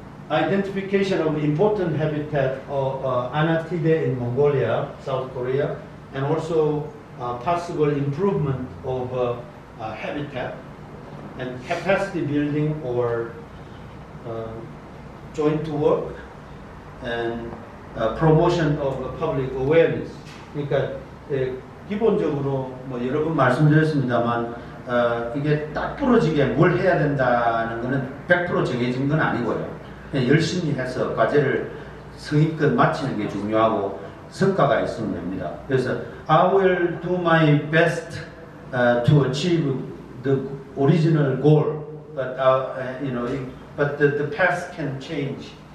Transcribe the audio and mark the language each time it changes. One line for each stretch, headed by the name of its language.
English: identification of important habitat of Anatidae in Mongolia, South Korea, and also possible improvement of habitat and capacity building or joint work and promotion of public awareness.
Korean: 그러니까 기본적으로 뭐 여러 번 말씀드렸습니다만 이게 딱 부러지게 뭘 해야 된다는 것은 100% 정해진 건 아니고요. 그냥 열심히 해서 과제를 성의껏 마치는 게 중요하고 성과가 있으면 됩니다. 그래서
English: I will do my best to achieve the original goal, but you know, but the path can change.